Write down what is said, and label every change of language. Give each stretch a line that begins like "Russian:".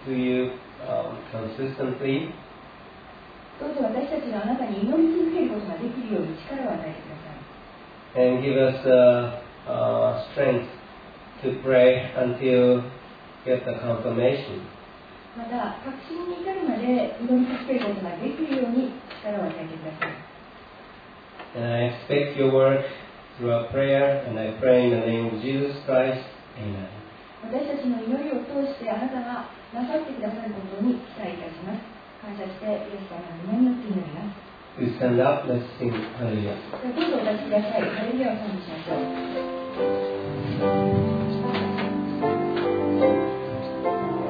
English: I ask you, Lord, that we have the strength to pray to you consistently.
Japanese: 私たちがあなたに祈り続けることができるように力を与えてください。
English: And give us the strength to pray until get the confirmation.
Japanese: また確信に至るまで祈り続けることができるように力を与えてください。
English: And I expect your work through our prayer, and I pray in the name of Jesus Christ. Amen.
Japanese: 私たちの祈りを通してあなたがなさってくださることに期待いたします。感謝してイエス様の名によって祈ります。
English: Please stand up. Let's sing Hallelujah.
Japanese: どうぞお立ちください。ハレルヤを賛美しましょう。